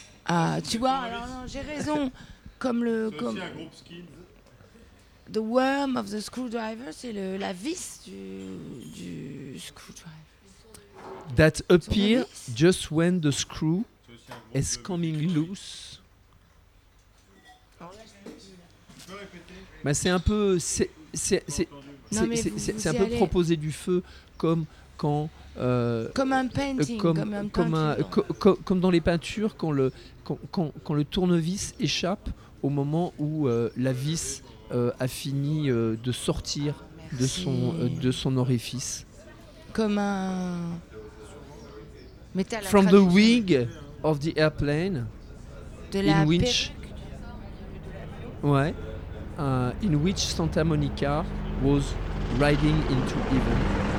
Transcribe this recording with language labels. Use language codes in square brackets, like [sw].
[fr] Ah, tu vois, alors non, j'ai raison. Comme le... C'est comme aussi un groupe skin. [en] The worm of the screwdriver, [fr] c'est la vis du screwdriver. [en] That appear just when the screw is coming loose. [fr] Bah c'est un peu, c'est un peu proposer du feu comme quand comme un painting, comme dans les peintures quand le tournevis échappe au moment où la vis a fini de sortir de son orifice. Comme un [en] From the wing of the airplane, in which, ouais, in which Santa Monica was riding into heaven.